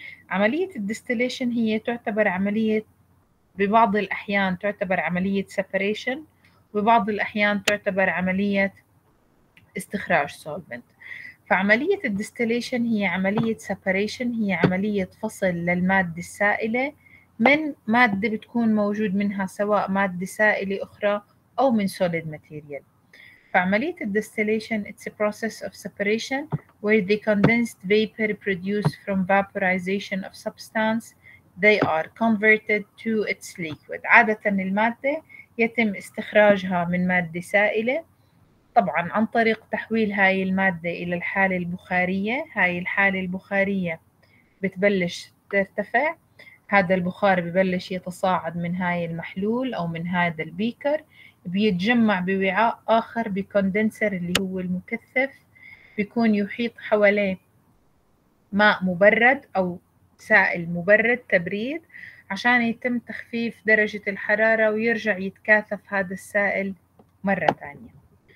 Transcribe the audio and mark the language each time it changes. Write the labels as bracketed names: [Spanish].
[Arabic] عملية الديستيليشن هي تعتبر عملية، ببعض الأحيان تعتبر عملية سيبريشن، وبعض الأحيان تعتبر عملية استخراج سولفنت. فعملية الديستيليشن هي عملية سيبريشن، هي عملية فصل للمادة السائلة من مادة بتكون موجود منها، سواء مادة سائلة أخرى أو من سوليد ماتيريال. فعملية الديستيليشن [English] it's a process of separation where the condensed vapor produced from vaporization of substance they are converted to its liquid. [Arabic] عادة المادة يتم استخراجها من مادة سائلة، طبعا عن طريق تحويل هاي المادة إلى الحالة البخارية. هاي الحالة البخارية بتبلش ترتفع، هذا البخار ببلش يتصاعد من هاي المحلول أو من هذا البيكر، بيتجمع بوعاء آخر بكوندنسر اللي هو المكثف، بيكون يحيط حواليه ماء مبرد أو سائل مبرد تبريد عشان يتم تخفيف درجة الحرارة ويرجع يتكاثف هذا السائل مرة ثانية.